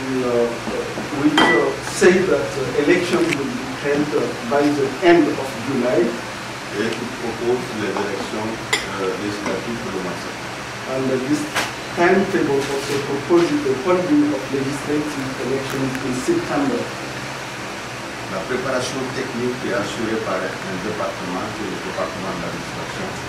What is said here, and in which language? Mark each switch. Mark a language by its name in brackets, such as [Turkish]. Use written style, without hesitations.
[English] Say that elections will be held by the end of July. [French] Et qui propose les élections législatives pour le mois de septembre. [English] And this timetable also proposes the holding of legislative elections in September. [French] La préparation technique est assurée par un département, qui est le département de l'administration.